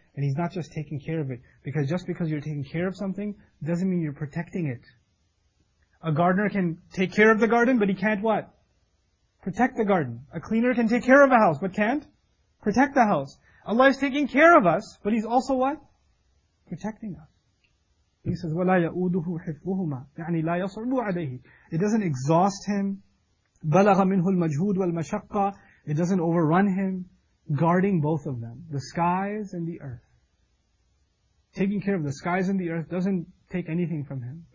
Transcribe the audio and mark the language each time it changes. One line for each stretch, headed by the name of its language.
English: And he's not just taking care of it. Because just because you're taking care of something, doesn't mean you're protecting it. A gardener can take care of the garden, but he can't what? Protect the garden. A cleaner can take care of a house, but can't protect the house. Allah is taking care of us, but he's also what? Protecting us. He says,
Arabic: وَلَا يَؤُودُهُ حِفْظُهُمَا يعني لا يصعب عليه.
English: It doesn't exhaust him.
Arabic: بَلَغَ مِنْهُ الْمَجْهُودُ وَالْمَشَقَّةِ
English: It doesn't overrun him. Guarding both of them. The skies and the earth. Taking care of the skies and the earth doesn't take anything from him.